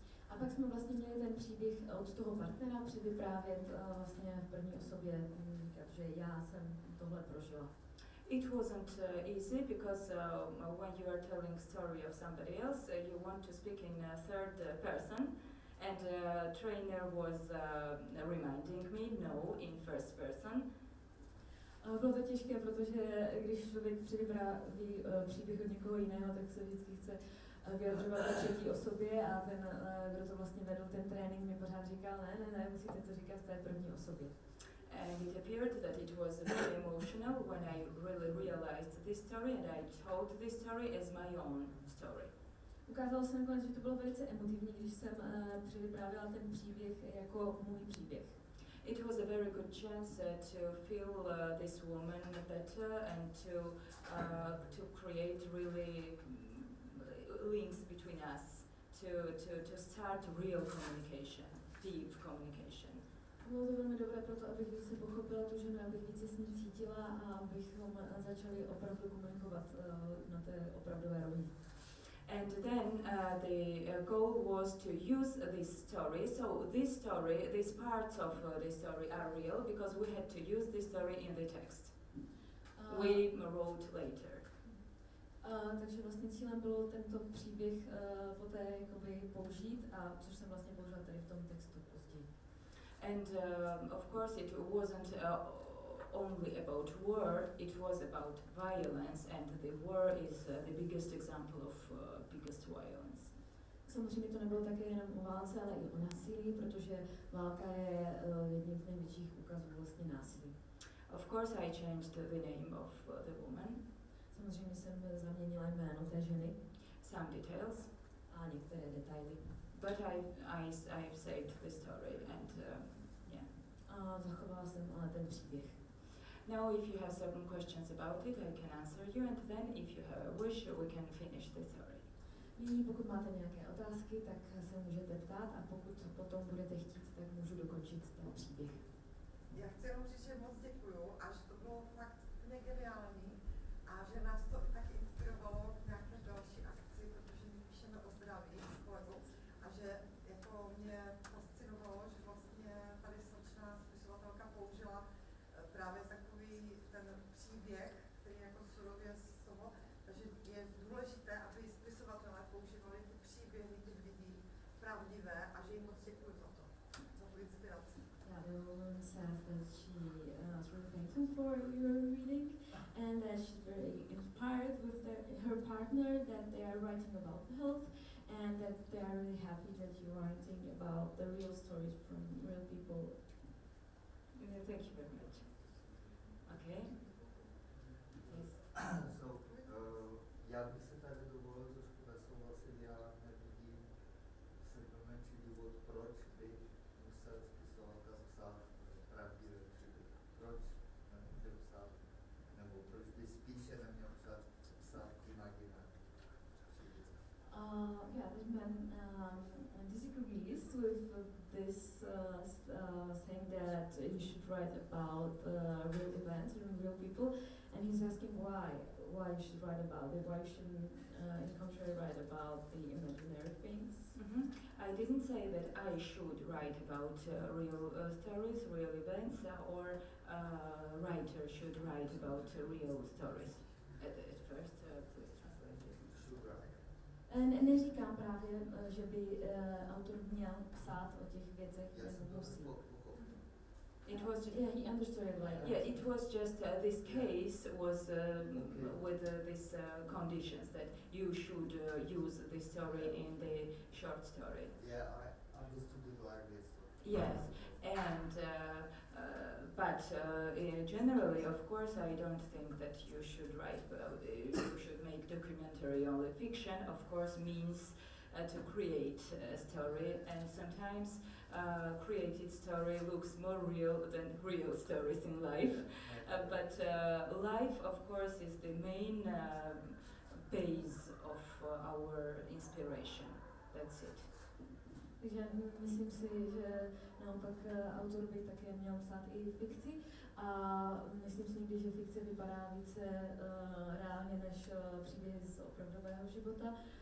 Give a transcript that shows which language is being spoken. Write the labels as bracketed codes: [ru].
[cs] A pak jsme vlastně měli ten příběh od toho partnera předvyprávět vlastně v první osobě, takže já jsem tohle prožila. [en] It wasn't easy because when you are telling story of somebody else, you want to speak in third person. And the trainer was reminding me, no, in first person. [cs] Bylo to těžké, protože když člověk předvypráví příběh od někoho jiného, tak se vždycky chce vyjadřovat o třetí osobě a ten, kdo to vlastně vedl, ten trénink, mi pořád říkal, ne, musíte to říkat v té první osobě. [en] And it appeared that it was very emotional when I really realized this story and I told this story as my own story. [cs] Ukázalo se nakonec, že to bylo velice emotivní, když jsem převyprávěla ten příběh jako můj příběh. [en] It was a very good chance to feel this woman better and to create really links between us, to start real communication, deep communication. [cs] Bylo to velmi dobré pro to, abych více pochopila tu ženu, abych více s ní cítila a abychom začali opravdu komunikovat na té opravdové rovině. [en] And then the goal was to use this story. So this story, these parts of the story are real because we had to use this story in the text. We wrote later. [cs] Takže vlastně cílem bylo tento příběh poté jakoby použít a což jsem vlastně použila tady v tom textu později. [en] And of course it wasn't only about war, it was about violence, and the war is the biggest example of biggest violence. [cs] Samozřejmě to nebylo také jenom o válce, ale i o násilí, protože válka je jedním z největších ukazů vlastně násilí. [en] Of course I changed the name of the woman. [cs] Samozřejmě jsem zaměnila jméno té ženy. [en] Some details. [cs] A některé detaily. [en] But I have saved the story and yeah. [cs] A zachovala jsem ale ten příběh. [en] Now, if you have certain questions about it, I can answer you, and then if you have a wish, we can finish the story. [cs] Nyní, pokud máte nějaké otázky, tak se můžete ptát, a pokud potom budete chtít, tak můžu dokončit ten příběh. Já chci jenom říct, že moc děkuju, a že to bylo fakt negeniální, a že nás to tak inspirovalo k nějaké další akci, protože my píšeme o zdraví s kolegou, a že jako mě fascinovalo, že vlastně tady Sočná spisovatelka použila právě takový ten příběh, který jako surově z toho, takže je důležité, aby spisovatelé používali ty příběhy těch lidí pravdivé a že jim moc děkuji za to, za tu inspiraci. [en] Yeah, the woman says that she was really thankful for your reading and that she's very inspired with her partner that they are writing about health and that they are really happy that you are writing about the real stories from real people. Yeah, thank you very much. Okay. Yes. [cs] So, já bych se tady dovolil trošku nesouhlasit, já nevidím sebe menší důvod, proč bych musel spisovatelka psát pravdivé příběhy. Proč nemůže psát, nebo proč by spíše neměl psát imaginární příběhy. [en] Yeah, this man disagrees with this saying that you should write about real events and real people, and he's asking why. Why you should write about it? Why you shouldn't, in contrary, write about the imaginary things? Mm-hmm. I didn't say that I should write about real stories, real events, or a writer should write about real stories. At first, please translate it. [cs] Neříkám právě, že by autor měl psát o těch věcech, které musí. [en] It was just yeah, he understood it like yeah, it was just this case was with these conditions that you should use the story in the short story. Yeah, I understood it like this. Yes, and but generally, of course, I don't think that you should write, you should make documentary only. Fiction, of course, means to create a story, and sometimes created story looks more real than real stories in life. But life, of course, is the main base of our inspiration. That's it. [cs] Takže myslím si, že naopak autor by také měl psát i fikci. A myslím si někdy, že fikce vypadá více reálně než příběhy z opravdového života.